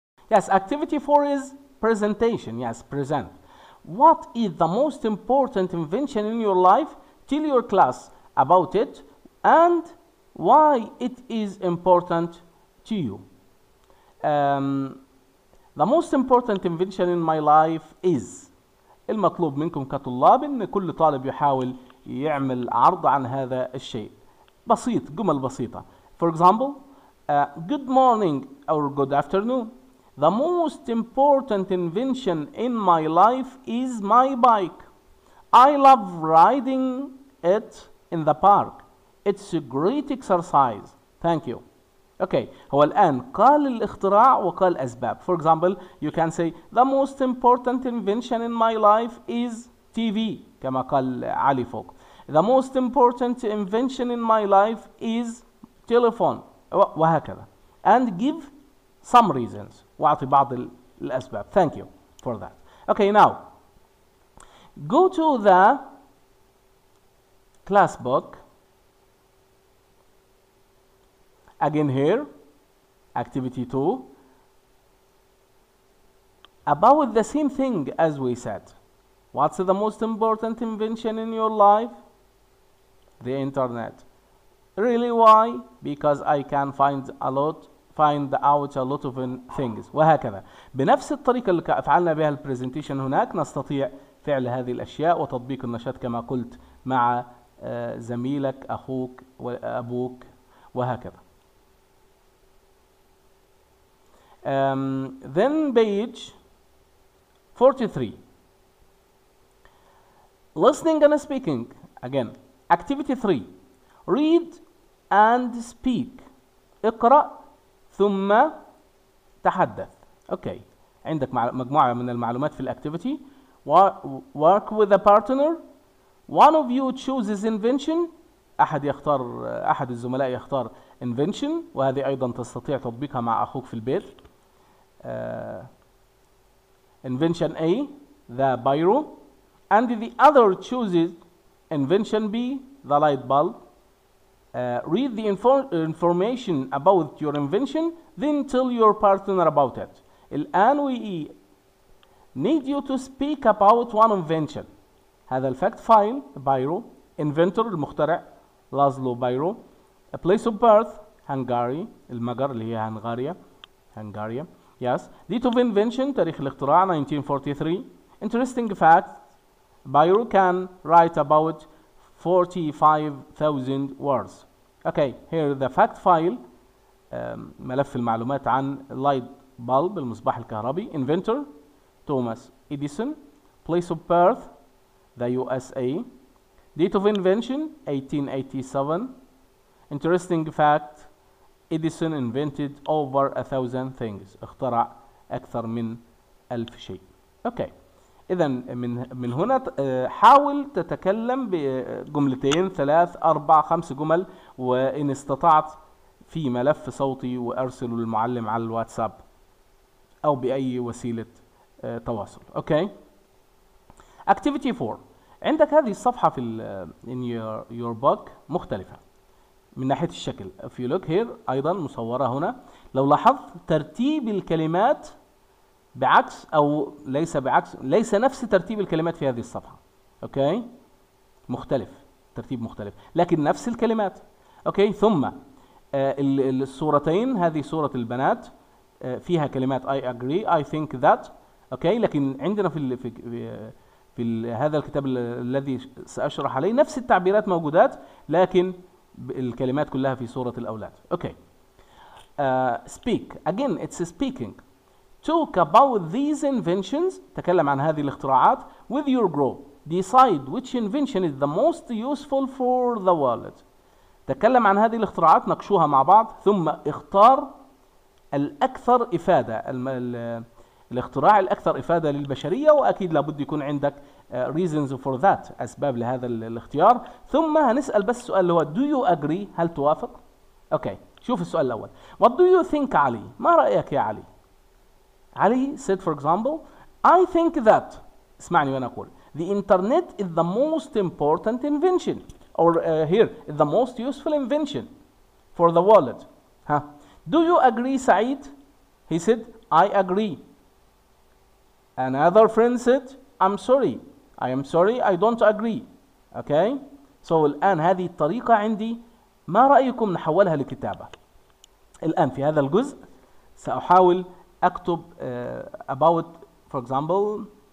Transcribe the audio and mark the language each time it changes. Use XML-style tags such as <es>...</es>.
<en>Yes, activity 4 is presentation. Yes, present. What is the most important invention in your life? Tell your class about it and why it is important to you. The most important invention in my life is</en> <ar>المطلوب منكم كطلاب ان كل طالب يحاول يعمل عرض عن هذا الشيء. بسيط، جمل بسيطة.</ar> <en>For example, good morning or good afternoon. The most important invention in my life is my bike. I love riding it in the park. It's a great exercise. Thank you. Okay.</en> <ar>هو الآن قال الاختراع وقال أسباب.</ar> <en>For example, you can say the most important invention in my life is TV.</en> <ar>كما قال علي فوق.</ar> <en>The most important invention in my life is telephone.</en> <ar>وهكذا.</ar> <en>And give some reasons.</en> <ar>وأعطي بعض الأسباب.</ar> <en>Thank you for that. Okay, now. Go to the class book. Again here. Activity 2. About the same thing as we said. What's the most important invention in your life? The internet. Really, why? Because I can find out a lot of things.</en> <ar>وهكذا. بنفس الطريقة اللي فعلنا بها البرزنتيشن هناك نستطيع فعل هذه الأشياء وتطبيق النشاط كما قلت مع زميلك أخوك وأبوك وهكذا.</ar> <en>Then page 43. Listening and speaking. Again. Activity 3. Read and speak.</en> <ar>اقرأ ثم تحدث. Okay. عندك مجموعة من المعلومات في الاكتيفيتي.</ar> <en>Work with a partner. One of you chooses invention.</en> <ar>أحد الزملاء يختار invention. وهذه أيضا تستطيع تطبيقها مع أخوك في البيت.</ar> <en>Invention A. The biro. And the other chooses invention B. The light bulb. Read the information about your invention, then tell your partner about it. الآن we need you to speak about one invention.</en> <ar>هذا الفاكت فايل بايرو. Inventor المخترع لازلو بايرو.</ar> <en>A place of birth هنغاري.</en> <ar>المجر اللي هي هنغاريا. Yes.</ar> <en>Date of invention</en> <ar>تاريخ الاختراع</ar> <en>1943. Interesting fact. Biro can write about 45,000 words. Okay, here the fact file.</en> <ar>ملف المعلومات عن light bulb, المصباح الكهربي.</ar> <en>Inventor, Thomas Edison. Place of birth, the USA. Date of invention, 1887. Interesting fact, Edison invented over 1,000 things.</en> <ar>اخترع أكثر من 1,000 شيء. Okay. إذن من هنا حاول تتكلم بجملتين ثلاث أربع خمس جمل وإن استطعت في ملف صوتي وأرسله للمعلم على الواتساب أو بأي وسيلة تواصل.</ar> <en>Okay. Activity 4.</en> <ar>عندك هذه الصفحة في</ar> <en>in your book</en> <ar>مختلفة من ناحية الشكل.</ar> <en>If you look here</en> <ar>أيضا مصورة هنا. لو لاحظت ترتيب الكلمات بعكس أو ليس بعكس ليس نفس ترتيب الكلمات في هذه الصفحة. أوكي. مختلف ترتيب مختلف لكن نفس الكلمات. أوكي. ثم الصورتين هذه صورة البنات فيها كلمات</ar> <en>I agree I think that.</en> <ar>أوكي. لكن عندنا في هذا الكتاب الذي سأشرح عليه نفس التعبيرات موجودات لكن الكلمات كلها في صورة الأولاد. أوكي.</ar> <en>Speak again it's speaking. Talk about these inventions.</en> <ar>تكلم عن هذه الاختراعات</ar> <en>with your group. Decide which invention is the most useful for the world.</en> <ar>تكلم عن هذه الاختراعات نقشوها مع بعض ثم اختار الأكثر إفادة الاختراع الأكثر إفادة للبشرية وأكيد لابد يكون عندك</ar> <en>reasons for that</en> <ar>أسباب لهذا الاختيار ثم هنسأل بس سؤال هو</ar> <en>do you agree</en> <ar>هل توافق؟ Okay. شوف السؤال الأول.</ar> <en>What do you think علي؟</en> <ar>ما رأيك يا علي؟</ar> <en>Ali said, for example, I think that,</en> <ar>اسمعني وانا اقول,</ar> <en>the internet is the most important invention, or here, is the most useful invention for the world. Huh? Do you agree, Saeed? He said, I agree. Another friend said, I'm sorry. I am sorry, I don't agree. Okay?</en> <ar>So, الآن هذه الطريقة عندي, ما رأيكم نحولها لكتابة؟ الآن في هذا الجزء, سأحاول أكتب</ar> <en>about for example</en>